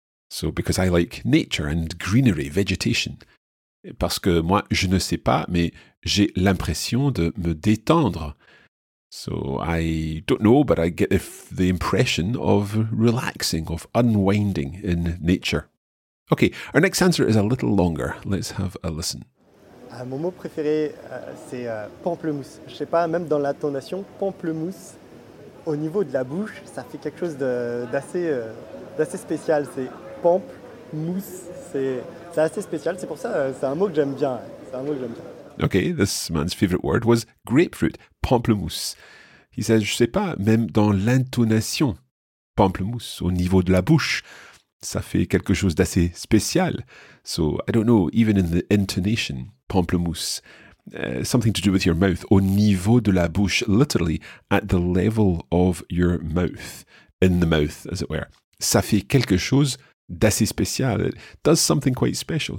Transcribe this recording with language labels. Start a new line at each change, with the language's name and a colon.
English: So, because I like nature and greenery, vegetation.
French: Parce que moi je ne sais pas, mais j'ai l'impression de me détendre.
English: So I don't know, but I get the impression of relaxing, of unwinding in nature. Okay, our next answer is a little longer. Let's have a listen.
French: Mon mot préféré, c'est pamplemousse. Je sais pas, même dans la tonation, pamplemousse, au niveau de la bouche, ça fait quelque chose d'assez spécial. C'est pamplemousse, c'est assez spécial. C'est pour ça, c'est un mot que j'aime bien. C'est un mot que j'aime bien.
English: Okay, this man's favorite word was grapefruit, pamplemousse. He says,
French: je sais pas, même dans l'intonation, pamplemousse, au niveau de la bouche, ça fait quelque chose d'assez spécial.
English: So, I don't know, even in the intonation, pamplemousse, something to do with your mouth,
French: au niveau de la bouche,
English: literally, at the level of your mouth, in the mouth, as it were. Ça fait quelque chose d'assez spécial. It does something quite special.